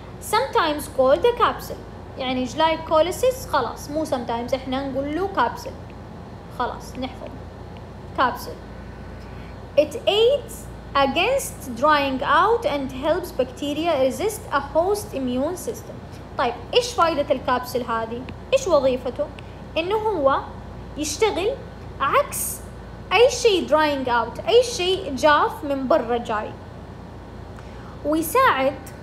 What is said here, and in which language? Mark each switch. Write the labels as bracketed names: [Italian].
[English] sometimes called a capsule، [Arabic] يعني جلايكوليسيس خلاص مو sometimes، احنا نقول له كابسل خلاص نحفظ كابسل. [English] it aids against drying out and helps bacteria resist a host immune system. [Arabic] طيب ايش فايدة الكابسل هذه؟ ايش وظيفته؟ انه هو يشتغل عكس اي شيء [English] drying out، [Arabic] اي شيء جاف من برا جاي، ويساعد